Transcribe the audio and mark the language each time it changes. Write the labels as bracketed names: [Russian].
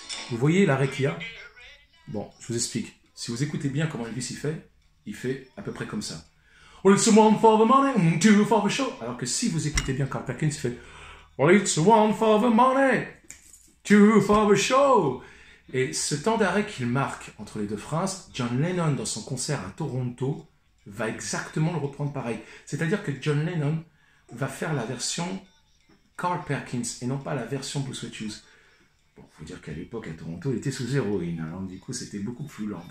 [French] Vous voyez l'arrêt qu'il y a ? Bon, je vous explique. Si vous écoutez bien comment Elvis il fait à peu près comme ça. [English] Well, it's one for the money, two for the show. [French] Alors que si vous écoutez bien Carl Perkins, il fait... [English] Well, it's one for the money, two for the show. [French] Et ce temps d'arrêt qu'il marque entre les deux phrases, John Lennon, dans son concert à Toronto, va exactement le reprendre pareil. C'est-à-dire que John Lennon va faire la version Carl Perkins et non pas la version Blue Suede Shoes. Bon, faut dire qu'à l'époque, à Toronto, il était sous héroïne. Alors, du coup, c'était beaucoup plus lent.